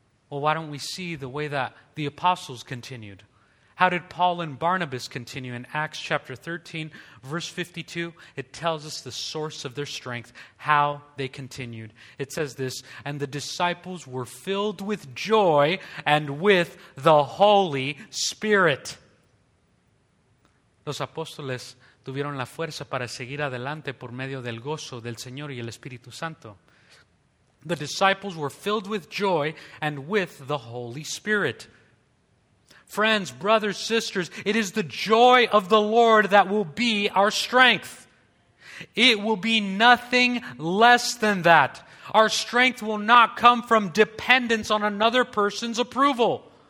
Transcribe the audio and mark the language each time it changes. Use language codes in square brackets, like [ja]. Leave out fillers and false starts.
[en] Well, why don't we see the way that the apostles continued? How did Paul and Barnabas continue? In Acts chapter 13, verse 52, it tells us the source of their strength, how they continued. It says this, "And the disciples were filled with joy and with the Holy Spirit." [es] Los apóstoles tuvieron la fuerza para seguir adelante por medio del gozo del Señor y el Espíritu Santo. [en] The disciples were filled with joy and with the Holy Spirit. Friends, brothers, sisters, it is the joy of the Lord that will be our strength. It will be nothing less than that. Our strength will not come from dependence on another person's approval.